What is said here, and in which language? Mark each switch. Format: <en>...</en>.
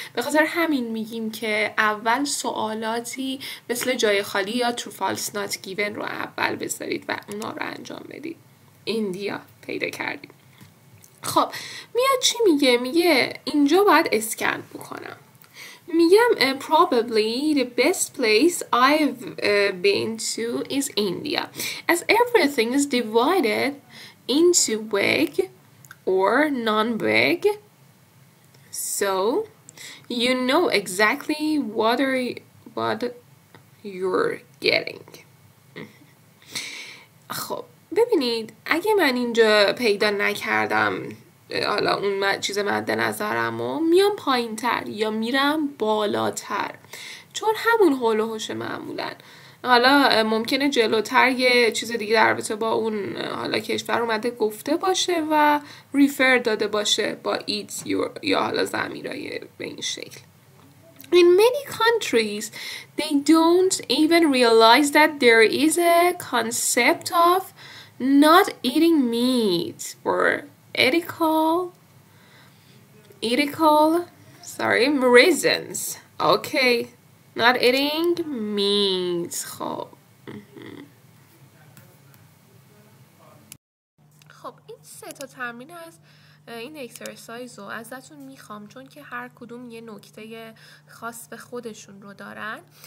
<fa>به خاطر همین میگیم که اول سوالاتی مثل جای خالی یا</fa> <en>true false not given</en> <fa>رو اول بذارید و اونا رو انجام بدید. ایندیا پیدا کردیم. خب میاد چی میگه؟ میگه اینجا باید اسکن بکنم. میگم</fa> <en>probably the best place I've been to is India as everything is divided into big or non-big so you know exactly what you're getting. خب ببینید اگه من اینجا پیدا نکردم حالا اون چیز مد نظرم رو میام پایین تر یا میرم بالاتر چون همون حول و حوش معمولا. حالا ممکنه جلوتر یه چیز دیگه در رابطه با اون حالا کشور اومده گفته باشه و ریفر داده باشه با ایتس یا حالا ضمیرای به این شکل. In many countries, they don't even realize that there is a concept of not eating meat or ethical reasons. Okay, not eating meat.</en> <fa>خب خب این سه تا تمرین از این اکسرسایز رو ازتون میخوام چون که هر کدوم یه نکته خاص به خودشون رو دارن.</fa>